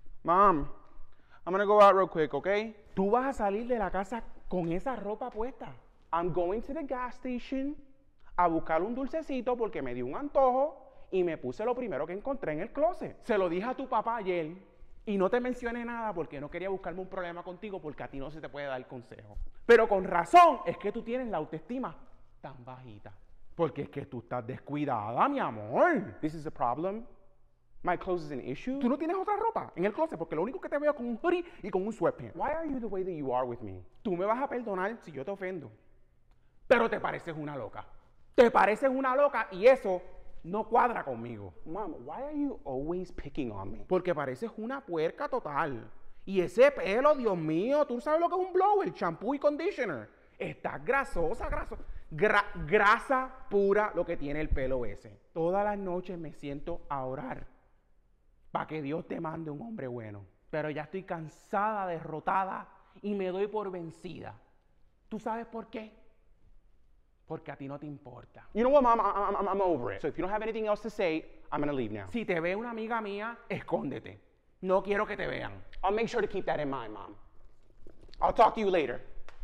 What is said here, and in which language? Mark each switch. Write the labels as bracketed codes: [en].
[en] Mom, I'm gonna go out real quick, okay? [es] Tú vas a salir de la casa con esa ropa puesta. [en] I'm going to the gas station [es] a buscar un dulcecito porque me dio un antojo y me puse lo primero que encontré en el closet. Se lo dije a tu papá ayer y no te mencioné nada porque no quería buscarme un problema contigo porque a ti no se te puede dar consejo. Pero con razón es que tú tienes la autoestima tan bajita. Porque es que tú estás descuidada, mi amor. [en] This is a problem. My clothes is an [es] Tú [en] issue. [es] no tienes otra ropa en el closet porque lo único que te veo es con un hoodie y con un sweatpant. [en] Why are you the way that you are with me? [es] Tú me vas a perdonar si yo te ofendo. Pero te pareces una loca. Te pareces una loca y eso no cuadra conmigo. [en] Mom, why are you always picking on me? [es] Porque pareces una puerca total. Y ese pelo, Dios mío, tú sabes lo que es un blower, champú y conditioner. Estás grasosa, graso. Grasa pura lo que tiene el pelo ese. Todas las noches me siento a orar. Para que Dios te mande un hombre bueno. Pero ya estoy cansada, derrotada y me doy por vencida. ¿Tú sabes por qué? Porque a ti no te importa. [en] You know what, Mom? I'm over it. So if you don't have anything else to say, I'm gonna leave now. [es] Si te ve una amiga mía, escóndete. No quiero que te vean. [en] I'll make sure to keep that in mind, Mom. I'll talk to you later.